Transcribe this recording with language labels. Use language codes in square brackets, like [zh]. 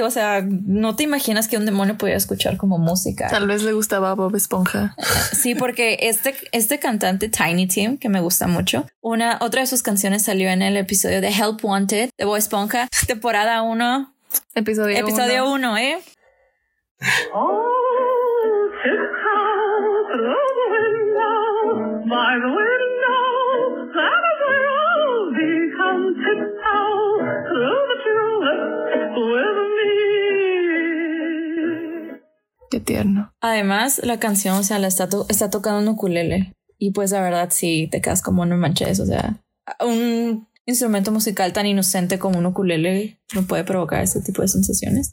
[es] O sea, no te imaginas que un demonio pudiera escuchar como música. Tal vez le gustaba a Bob Esponja. Sí, porque este cantante Tiny Tim, que me gusta mucho, otra de sus canciones salió en el episodio de Help Wanted de Bob Esponja, temporada 1. Episodio 1, ¿eh? [en] Oh, sit out through the window, by the window, that is where I'll be. Come sit out through the tulip with me. [es] Qué tierno. Además, la canción, o sea, la está tocando un ukulele. Y pues, la verdad, sí, te quedas como no manches, o sea, un instrumento musical tan inocente como un ukulele no puede provocar ese tipo de sensaciones.